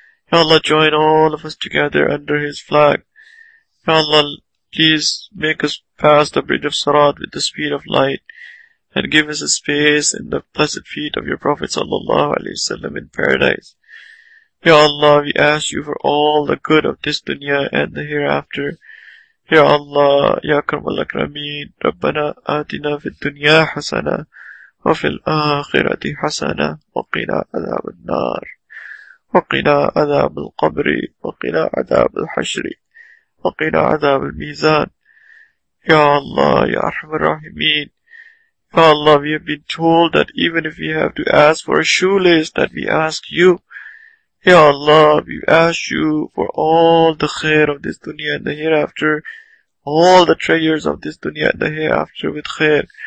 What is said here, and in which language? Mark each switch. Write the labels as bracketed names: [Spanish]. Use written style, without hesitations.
[English] Ya Allah, join all of us together under his flag. Ya Allah, please make us pass the bridge of Sirat with the speed of light and give us a space in the blessed feet of your Prophet, sallallahu alaihi wasallam, in paradise. Ya Allah, we ask you for all the good of this dunya and the hereafter. [Arabic] Ya Allah, Ya Karim al-Akramin, Rabbana atina fid dunya hasana وفي الآخرة حسنة وقنا عذاب النار وقنا عذاب القبر وقنا عذاب الحشر وقنا عذاب الميزان. يا الله يا أرحم الراحمين. [English] يا الله, we have been told that even if we have to ask for a shoelace, that we ask you. يا الله, we ask you for all the khair of this dunya and the hereafter, all the treasures of this dunya and the hereafter with khair.